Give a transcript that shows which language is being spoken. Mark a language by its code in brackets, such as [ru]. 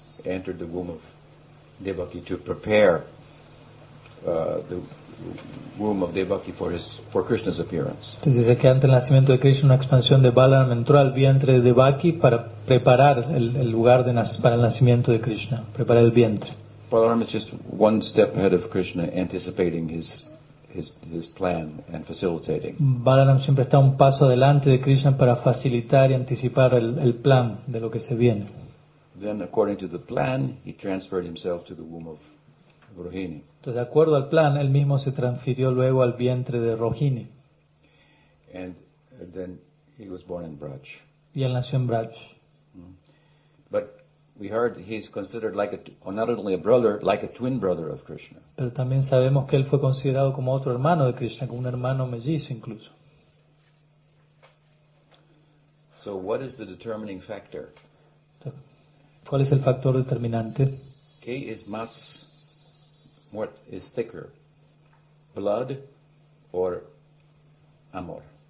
[en] Entered the womb of Devaki to prepare the womb of Devaki for Krishna's appearance. [es] Entonces dice que antes del nacimiento de Krishna una expansión de Balaram entró al vientre de Devaki para preparar el lugar para el nacimiento de Krishna, preparar el vientre. [en] Balaram is just one step ahead of Krishna, anticipating his plan and facilitating. [es] Balaram siempre está un paso adelante de Krishna para facilitar y anticipar el plan de lo que se viene. [en] Then, according to the plan, he transferred himself to the womb of Rohini. [es] Entonces, de acuerdo al plan, él mismo se transfirió luego al vientre de Rohini. [en] And then he was born in Braj. [es] Y él nació en Braj. [en] But we heard he's considered like a, not only a brother, like a twin brother of Krishna. [es] Pero también sabemos que él fue considerado como otro hermano de Krishna, como un hermano mellizo incluso. [en] So what is the determining factor? [es] ¿Cuál es el factor determinante? ¿Qué es más, [en] what is thicker, blood or amor?